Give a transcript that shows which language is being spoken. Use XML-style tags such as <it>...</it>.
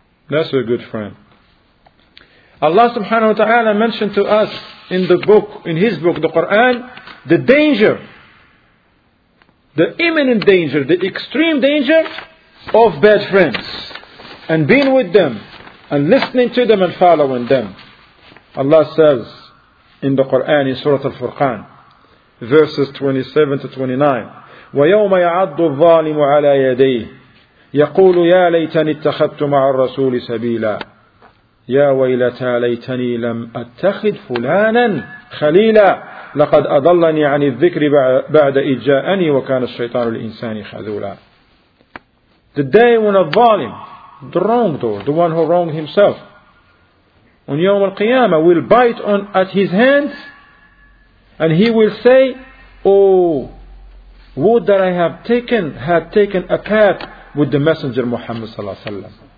<en>That's a good friend. Allah subhanahu wa ta'ala mentioned to us in the book, in his book, the Quran, the danger, the imminent danger, the extreme danger of bad friends and being with them and listening to them and following them. Allah says in the Quran, in Surah Al-Furqan, verses 27 to 29,</en> <ar>وَيَوْمَ يَعَضُّ الظَّالِمُ عَلَى يَدَيْهِ يقول يا ليتني اتخذت مع الرسول سبيلا يا ويلتى ليتني لم أتخذ فلانا خليلا لقد أضلني عن الذكر بعد إذ جاءني وكان الشيطان الإنسان خذولا.</ar> <en>The day when a ظالم, the wrongdoer, the one who wronged himself, on يوم القيامة will bite on at his hands, and he will say, "Oh, would that I have taken had taken a cat with the Messenger Muhammad sallallahu alaihi wasallam.</en>